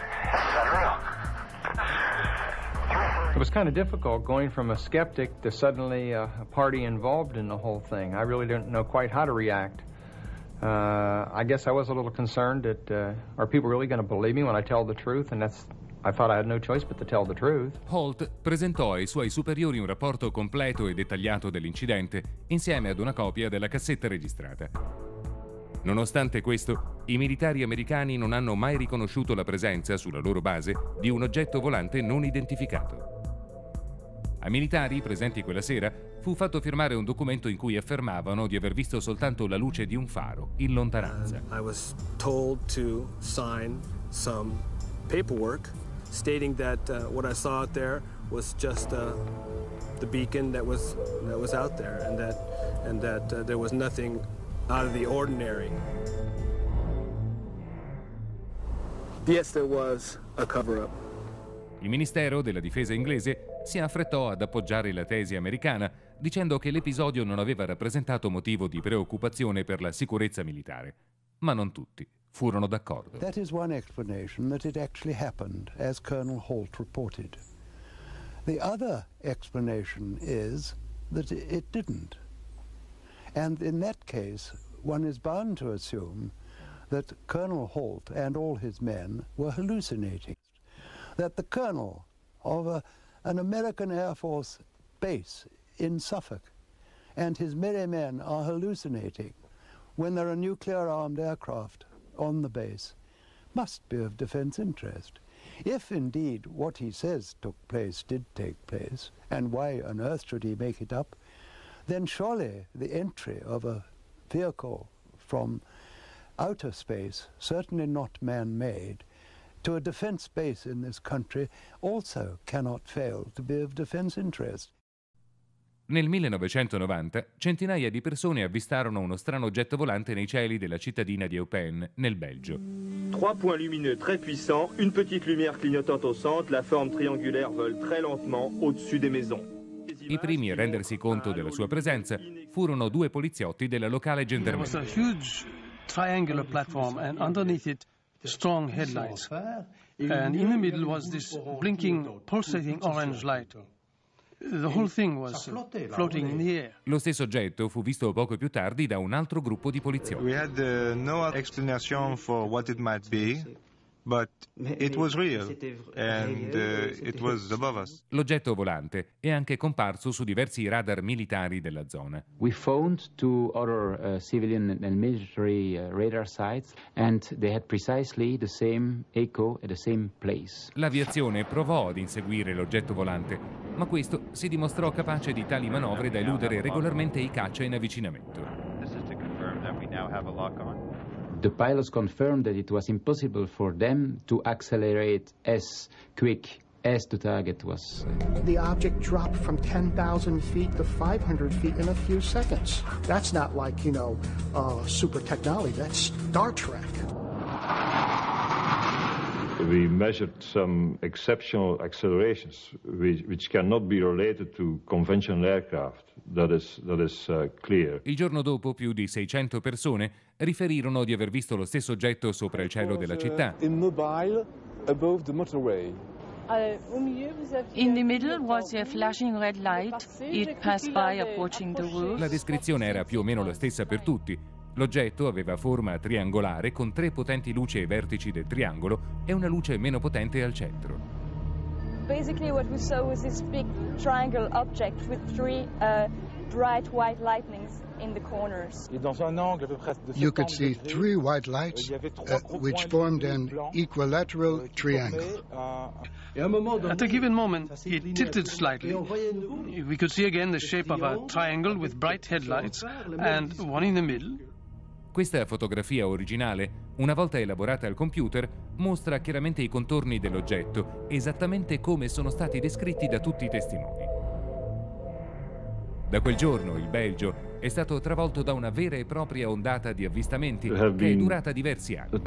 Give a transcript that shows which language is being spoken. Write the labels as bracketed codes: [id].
[en] This is unreal. It was kind of difficult going from a skeptic to suddenly a party involved in the whole thing. I really didn't know quite how to react. I guess I was a little concerned that, are people really going to believe me when I tell the truth? And that's, I thought I had no choice but to tell the truth. [it] Holt presentò ai suoi superiori un rapporto completo e dettagliato dell'incidente, insieme ad una copia della cassetta registrata. Nonostante questo, i militari americani non hanno mai riconosciuto la presenza sulla loro base di un oggetto volante non identificato. Ai militari presenti quella sera fu fatto firmare un documento in cui affermavano di aver visto soltanto la luce di un faro in lontananza. [en] I was told to sign some paperwork stating that what I saw out there was just the beacon that was out there and that there was nothing out of the ordinary. Yes, there was a cover-up. [it] Il Ministero della Difesa inglese si affrettò ad appoggiare la tesi americana, dicendo che l'episodio non aveva rappresentato motivo di preoccupazione per la sicurezza militare. Ma non tutti furono d'accordo. [en] That is one explanation, that it actually happened, as Colonel Holt reported. The other explanation is that it didn't. And in that case, one is bound to assume that Colonel Holt and all his men were hallucinating, that the colonel of an American Air Force base in Suffolk and his merry men are hallucinating when there are nuclear-armed aircraft on the base must be of defense interest. If indeed what he says took place did take place, and why on earth should he make it up, then surely the entry of a vehicle from outer space, certainly not man-made, to a defense base in this country also cannot fail to be of defense interest. [it] Nel 1990, centinaia di persone avvistarono uno strano oggetto volante nei cieli della cittadina di Eupen, nel Belgio. [fr] Trois points lumineux très puissants, une petite lumière clignotante au centre, la forme triangulaire vole très lentement au-dessus des maisons. [it] I primi a rendersi conto della sua presenza furono due poliziotti della locale gendarmeria. [en] There was a huge triangular platform and underneath it strong headlights. And in the middle was this blinking, pulsating orange light. The whole thing was floating in the air. [it] Lo stesso oggetto fu visto poco più tardi da un altro gruppo di poliziotti. [en] We had no explanation for what it might be, but it was real and it was above us. [it] L'oggetto volante è anche comparso su diversi radar militari della zona. [en] We phoned to other civilian and military radar sites and they had precisely the same echo at the same place. [it] L'aviazione provò ad inseguire l'oggetto volante, ma questo si dimostrò capace di tali manovre da eludere regolarmente i caccia in avvicinamento. [en] This is to confirm that we now have a lock on. The pilots confirmed that it was impossible for them to accelerate as quick as the target was. The object dropped from 10,000 feet to 500 feet in a few seconds. That's not like, you know, super technology. That's Star Trek. We measured some exceptional accelerations which cannot be related to conventional aircraft. That is clear. [it] Il giorno dopo più di 600 persone riferirono di aver visto lo stesso oggetto sopra il cielo della città. [en] Immobile above the motorway. In the middle was a flashing red light. It passed by approaching the roof. [it] La descrizione era più o meno la stessa per tutti. L'oggetto aveva forma triangolare con tre potenti luci ai vertici del triangolo e una luce meno potente al centro. [en] Basically what we saw was this big triangle object with three bright white lightnings in the corners. You could see three white lights which formed an equilateral triangle. At a given moment, it tilted slightly. We could see again the shape of a triangle with bright headlights and one in the middle. [it] Questa fotografia originale, una volta elaborata al computer, mostra chiaramente i contorni dell'oggetto, esattamente come sono stati descritti da tutti i testimoni. Da quel giorno, il Belgio è stato travolto da una vera e propria ondata di avvistamenti che è durata diversi anni.